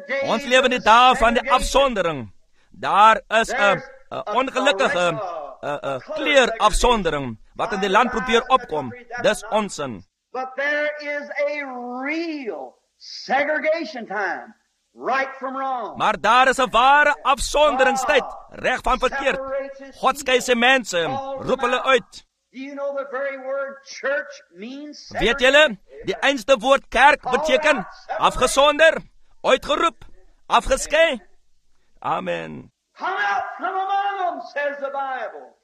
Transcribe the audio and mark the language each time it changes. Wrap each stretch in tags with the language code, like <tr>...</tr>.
<af>Ons lewe in die dag van die afsondering. Daar is 'n ongelukkige kleurafsondering wat in die land probeer opkom. Dis onsin.</af> <en>But there is a real segregation time, right from wrong.</en> <af>Maar daar is 'n ware afsonderingstyd, reg van verkeerd. God skei sy mense, roep hulle uit.</af> <en>Do you know the very word church means separate?</en> <af>Weet julle, die einste woord kerk beteken afgesonder, uitgeroep, afgeskei. Amen.</af> <en>Come out from among them, says the Bible.</en>